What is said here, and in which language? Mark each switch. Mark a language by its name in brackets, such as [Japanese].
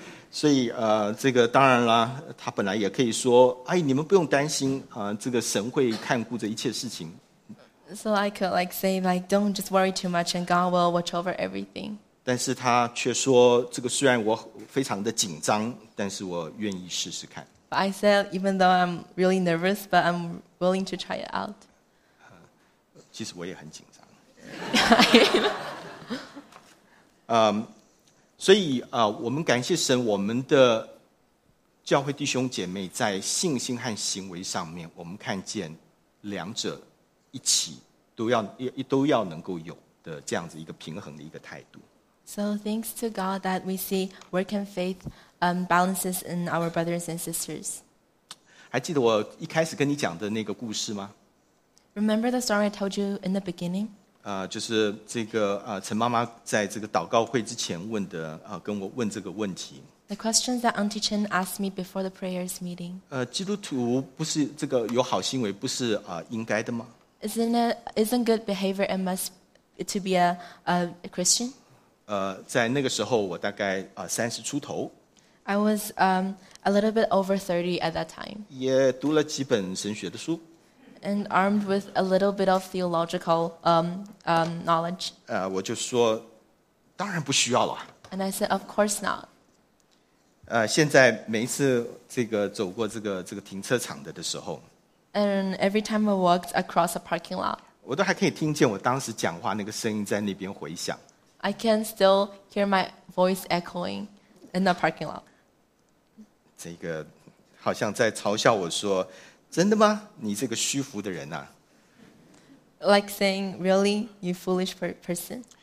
[Chinese] 所以这个当然啦，他本来也可以说，哎，你们不用担心啊，这个神会看顾着一切事情。 [English] So I could like say like don't just worry too much and God will watch over everything. [Chinese] 但是他却说，这个虽然我非常的紧张，但是我愿意试试看。 [English] But I said even though I'm really nervous, but I'm willing to try it out. [Chinese] 其实我也很紧张。所以我们感谢神，我们的教会弟兄姐妹在信心和行为上面，我们看见两者一起都要能够有的这样子一个平衡的一个态度。 [English] So thanks to God that we see work and faith balances in our brothers and sisters. [Chinese] 还记得我一开始跟你讲的那个故事吗 [English] ？Remember the story I told you in the beginning? [Chinese] 就是这个陈妈妈在这个祷告会之前问的跟我问这个问题。 [English] The questions that Auntie Chen asked me before the prayers meeting. [Chinese] 基督徒不是这个有好行为不是应该的吗 [English] ？Isn't good behavior and must to be a Christian? [Chinese] 在那个时候我大概30出头。 [English] I was a little bit over 30 at that time. [Chinese] 也读了几本神学的书。 [English] And armed with a little bit of theological knowledge. [Chinese] 我就说，当然不需要了。 [English] And I said, of course not. [Chinese] 现在每一次这个走过这个停车场的时候 [English] ，And every time I walked across a parking lot, [Chinese] 我都还可以听见我当时讲话那个声音在那边回响。 [English] I can still hear my voice echoing in the parking lot. [Chinese] 这个好像在嘲笑我说。真的吗？你这个虚浮的人啊 [English] ！Like saying, really, you foolish person.